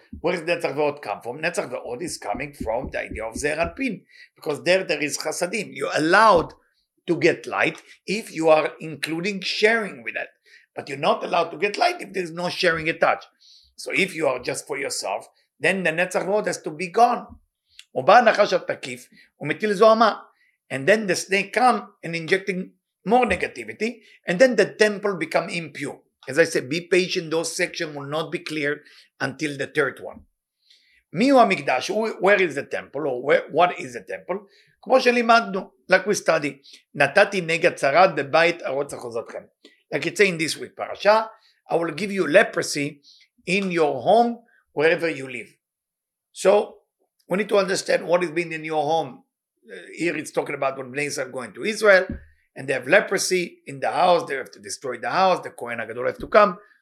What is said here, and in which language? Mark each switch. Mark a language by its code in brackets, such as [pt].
[en] Where does Netzach Ve'od come from? Netzach Ve'od is coming from the idea of Zeir Alpin, because there is Chasadim. You're allowed to get light if you are including sharing with it. But you're not allowed to get light if there's no sharing attached. So if you are just for yourself, then the Netzach Ve'od has to be gone. [he] ובא נחש התקיף ומטיל זוהמה. [en] And then the snake come and injecting more negativity, and then the temple become impure. As I said, be patient, those sections will not be cleared until the third one. [he] מי הוא המקדש? [en] Where is the temple? Or what is the temple? [he] כמו שלימדנו, [en] like we study, [he] נתתי נגע צרת בבית ארוץ אחוזתכם. [en] Like it's saying this week, Parashah, I will give you leprosy in your home, wherever you live. So, we need to understand what is being in your home. Here it's talking about when Bnei Israel are going to Israel, and they have leprosy in the house, they have to destroy the house, the Kohen HaGadol have to come.